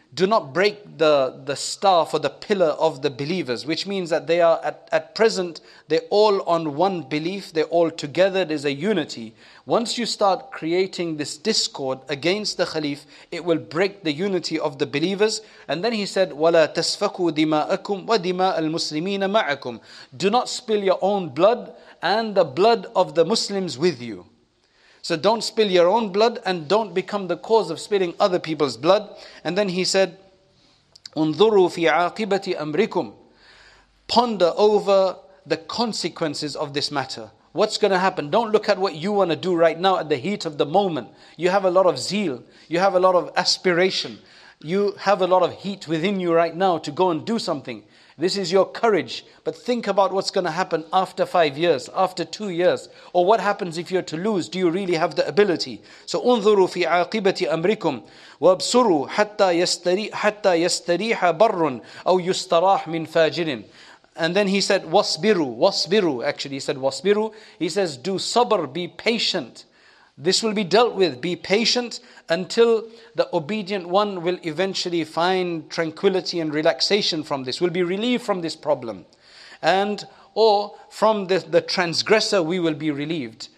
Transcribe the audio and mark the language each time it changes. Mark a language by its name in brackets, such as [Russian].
[English] Do not break the staff or the pillar of the believers, which means that they are at present, they're all on one belief, they're all together, there's a unity. Once you start creating this discord against the Khalif, it will break the unity of the believers. And then he said, [Arabic] وَلَا تَسْفَكُوا دِمَاءَكُمْ وَدِمَاءَ الْمُسْلِمِينَ مَعَكُمْ. [English] Do not spill your own blood and the blood of the Muslims with you. So don't spill your own blood and don't become the cause of spilling other people's blood. And then he said, [Arabic] "Unzuru fi aqibati amrikum." [English] Ponder over the consequences of this matter. What's going to happen? Don't look at what you want to do right now at the heat of the moment. You have a lot of zeal. You have a lot of aspiration. You have a lot of heat within you right now to go and do something. This is your courage. But think about what's going to happen after 5 years, after 2 years. Or what happens if you're to lose? Do you really have the ability? [Arabic] So, انظروا في عاقبة أمركم وابصروا حتى يستريح بر أو يستراح من فاجر. [English] And then he said, [Arabic] wasbiru, wasbiru. [English] Actually, he said, wasbiru. He says, do sabr, be patient. This will be dealt with. Be patient until the obedient one will eventually find tranquility and relaxation from this, will be relieved from this problem. And, or from the transgressor, we will be relieved.